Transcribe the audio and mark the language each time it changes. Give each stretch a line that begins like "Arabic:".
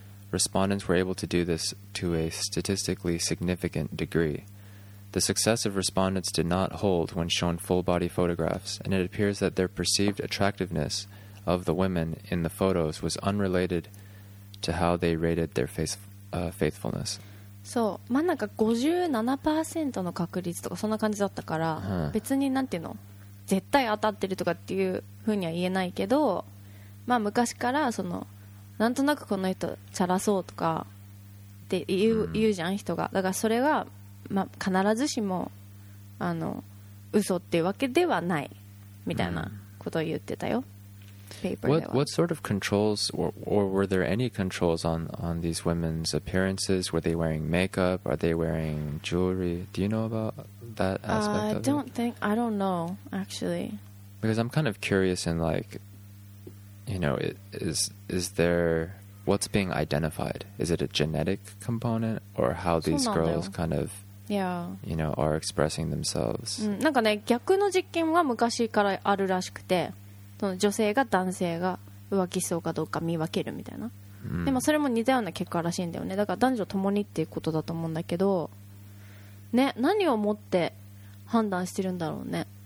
English: Respondents were able to do this to a statistically significant degree. The success of respondents did not hold when shown full-body photographs, and it appears that their perceived attractiveness of the women in the photos was unrelated to how they rated their faithfulness.
Japanese: そう、まあなんか 57% の確率とかそんな感じだったから、別になんていうの、絶対当たってるとかっていうふうには言えないけど、まあ昔からその。なんとなくこの人チャラそうとかって言うじゃん人がだからそれは、まあ、必ずしもあの嘘っていうわけではないみたいなことを言ってたよ、
English: What sort of controls or were there any controls on these women's appearances? Were they wearing makeup? Are they wearing jewelry? Do you know about that aspect of it? I don't know actually Because I'm kind of curious in likeYou know, is there what's being identified? Is it a genetic component or how these girls kind of, you know, are expressing themselves?
Japanese: なんかね、逆の実験は昔からあるらしくて、その女性が男性が浮気そうかどうか見分けるみたいな。でもそれも似たような結果らしいんだよね。だから男女共にっていうことだと思うんだけど、ね、何をもって判断してるんだろうね。